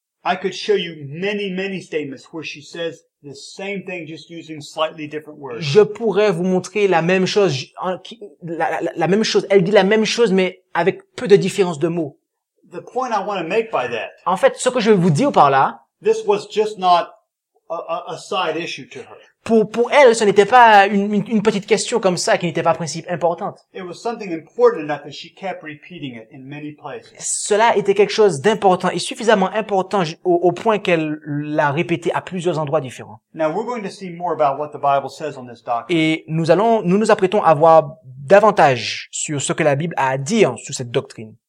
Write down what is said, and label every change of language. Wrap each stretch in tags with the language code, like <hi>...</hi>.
<en>I could show you many, many statements where she says the same thing, just using slightly different words.</en> <fr>Je pourrais vous montrer la même chose, la même chose. Elle dit la même chose, mais avec peu de différence de mots.</fr> <en>The point I want to make by that.</en> <fr>En fait, ce que je veux vous dire par là.</fr> <en>This was just not a side issue to her.</en> <fr>Pour elle, ce n'était pas une petite question comme ça qui n'était pas un principe importante.</fr> <en>It was something important enough that she kept repeating it in many places.</en> <fr>Cela était quelque chose d'important et suffisamment important au point qu'elle l'a répété à plusieurs endroits différents.</fr> <en>Now we're going to see more about what the Bible says on this doctrine.</en> <fr>Et nous apprêtons à voir davantage sur ce que la Bible a à dire sur cette doctrine.</fr>